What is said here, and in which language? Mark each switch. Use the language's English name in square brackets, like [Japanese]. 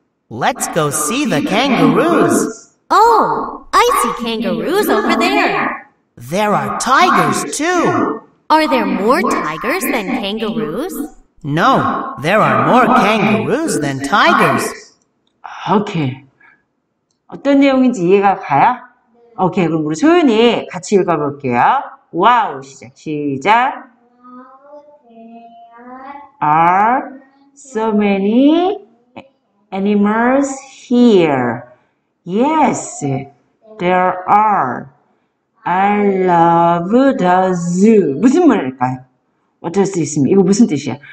[English] Let's go see the kangaroos. Oh, I see kangaroos over there. There are tigers too. Are there more tigers than kangaroos? No, there are more kangaroos than tigers. [Korean] 아, 오케이. 어떤 내용인지 이해가 가요? 오케이. 그럼 우리 소윤이 같이 읽어볼게요. 와우 시작. 시작. [English] Are so many animals here? Yes, there are. I love the zoo. [Korean] 무슨 말일까요? 어쩔 수 있습니다. 이거 무슨 뜻이야?